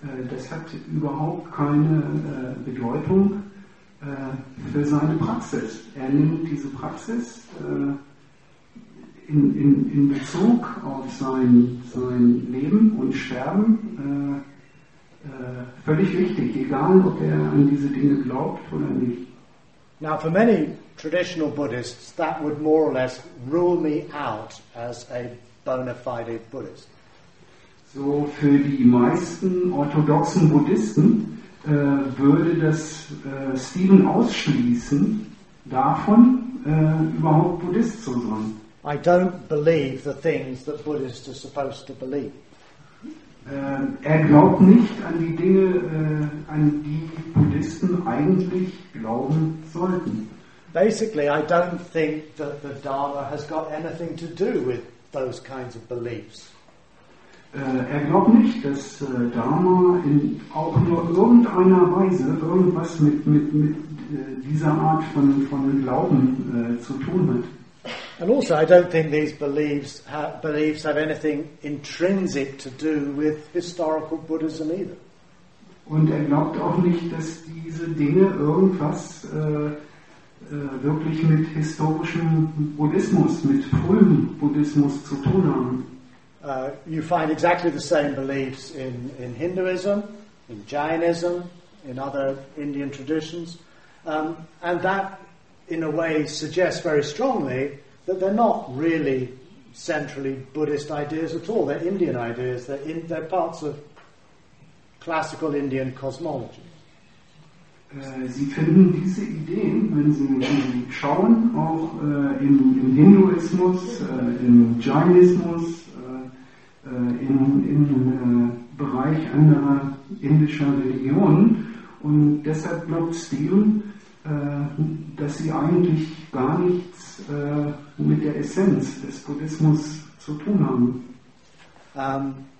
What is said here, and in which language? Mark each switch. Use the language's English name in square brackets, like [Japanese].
[German] Das hat überhaupt keine Bedeutung für seine Praxis. Er nimmt diese Praxis in Bezug auf sein Leben und Sterben völlig wichtig, egal ob er an diese Dinge glaubt oder nicht. [English] Now, for many traditional Buddhists, that would more or less rule me out as a bona fide Buddhist. [German] So, für die meisten orthodoxen Buddhisten würde das Stephen ausschließen, davon überhaupt Buddhist zu sein. [English] I don't believe the things that Buddhists are supposed to believe. [German] Er glaubt nicht an die Dinge, an die Buddhisten eigentlich glauben sollten. [English] Basically, I don't think that the Dharma has got anything to do with those kinds of beliefs. [German] Er glaubt nicht, dass Dharma in auch nur irgendeiner Weise irgendwas mit dieser Art von Glauben zu tun hat. [English] And also, I don't think these beliefs have anything intrinsic to do with historical Buddhism either. [German] Und er glaubt auch nicht, dass diese Dinge irgendwas wirklich mit historischem Buddhismus, mit frühem Buddhismus zu tun haben. [English] You find exactly the same beliefs in Hinduism, in Jainism, in other Indian traditions. And that, in a way, suggests very strongly that they're not really centrally Buddhist ideas at all. They're Indian ideas. They're parts of classical Indian cosmology. [German] Sie finden diese Ideen, wenn Sie schauen, auch im Hinduismus, im Jainismus, im Bereich anderer indischer Religionen, Und deshalb glaubt Stephen, dass sie eigentlich gar nichts mit der Essenz des Buddhismus zu tun haben.